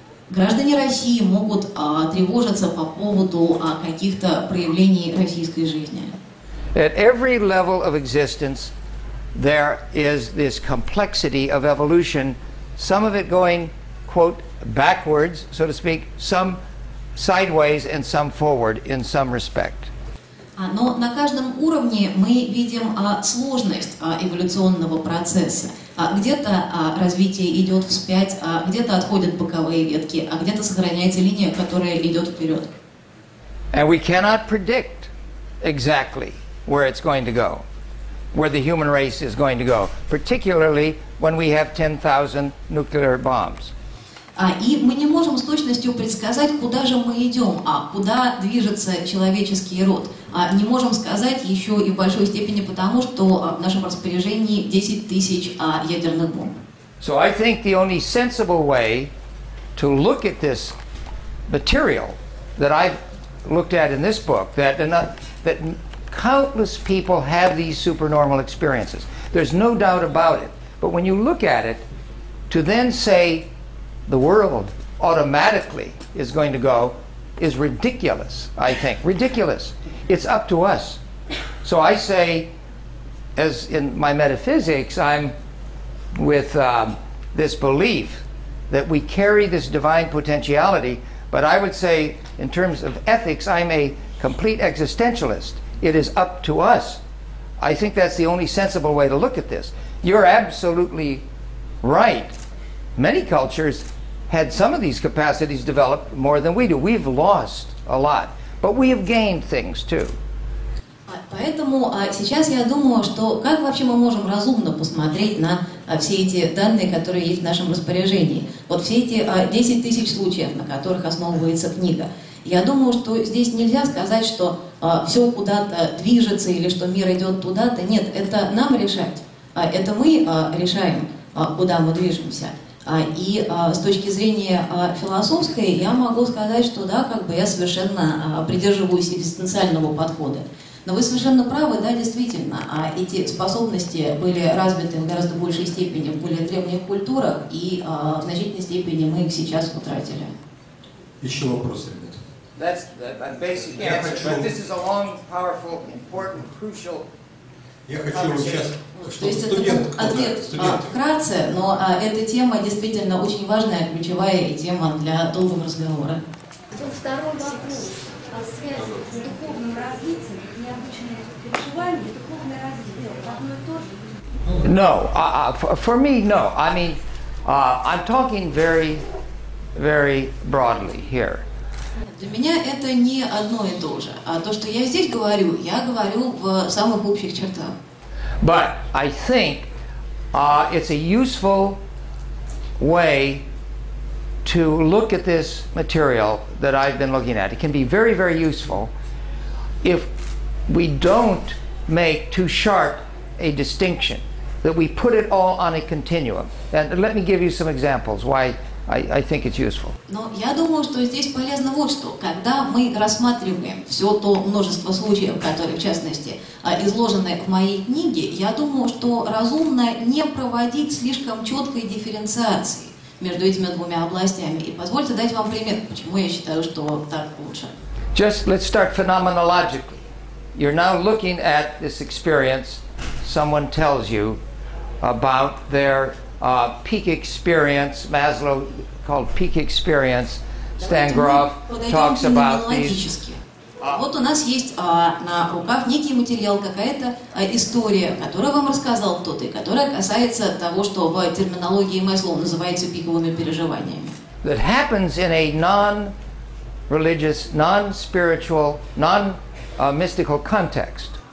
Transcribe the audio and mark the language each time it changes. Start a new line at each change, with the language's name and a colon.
Russian: Граждане России могут тревожиться по поводу каких-то проявлений российской жизни.
English: At every level of existence, there is this complexity of evolution. Some of it going, quote, backwards, so to speak, some sideways and some forward in some respect.
Russian: Но на каждом уровне мы видим сложность эволюционного процесса. Где-то развитие идет вспять, где-то отходят боковые ветки, а где-то сохраняется линия, которая идет вперед.
English: And we cannot predict exactly where it's going to go, where the human race is going to go, particularly when we have 10,000 nuclear bombs.
Russian: И мы не можем с точностью предсказать, куда же мы идем, куда движется человеческий род. Не можем сказать еще и в большой степени потому, что в нашем распоряжении 10,000 ядерных бомб.
English: So I think the only sensible way to look at this material that I've looked at in this book, that countless people have these supernormal experiences. There's no doubt about it. But when you look at it, to then say the world automatically is going to go is ridiculous, I think. Ridiculous. It's up to us. So I say, as in my metaphysics, I'm with this belief that we carry this divine potentiality, but I would say, in terms of ethics, I'm a complete existentialist. It is up to us. I think that's the only sensible way to look at this. You're absolutely right. Many cultures had some of these capacities developed more than we do. We've lost a lot, but we have gained things too.
Russian: Поэтому сейчас я думаю, что как вообще мы можем разумно посмотреть на все эти данные, которые есть в нашем распоряжении. Вот все эти 10 тысяч случаев, на которых основывается книга. Я думаю, что здесь нельзя сказать, что все куда-то движется или что мир идет туда-то. Нет, это нам решать. Это мы решаем, куда мы движемся. И с точки зрения философской я могу сказать, что да, как бы я совершенно придерживаюсь экзистенциального подхода. Но вы совершенно правы, да, действительно, эти способности были развиты в гораздо большей степени в более древних культурах, и в значительной степени мы их сейчас утратили. Еще вопросы, ребята?
English: That's a basic answer, but this is a long, powerful, important, crucial.
Russian: Я хочу сейчас, чтобы студент вкратце, но эта тема действительно очень важная, ключевая тема для долгого разговора. Второй вопрос о связи с духовным развитием, необычное переживание, духовное развитие, одно и то же?
English: No, for me, no. I mean, I'm talking very, very broadly here.
Russian: Для меня это не одно и то же. А то, что я здесь говорю, я говорю в самых общих чертах.
English: But I think it's a useful way to look at this material that I've been looking at. It can be very, very useful if we don't make too sharp a distinction, that we put it all on a continuum. And let me give you some examples why I think it's useful.
Russian: Но я думаю, что здесь полезно вот что. Когда мы рассматриваем все то множество случаев, которые, в частности, изложены в моей книге, я думаю, что разумно не проводить слишком четкой дифференциации между этими двумя областями. И позвольте дать вам пример, почему я считаю, что так лучше.
English: Just let's start phenomenologically. You're now looking at this experience someone tells you about their peak experience, Maslow called peak experience. Stan Grof talks about these.
Russian: Вот у нас есть на руках некий материал, какая-то история, которую вам рассказал кто-то, и которая касается того, что в терминологии Maslow называется пиковыми переживаниями.
English: That happens in a non-religious, non-spiritual, non-mystical context.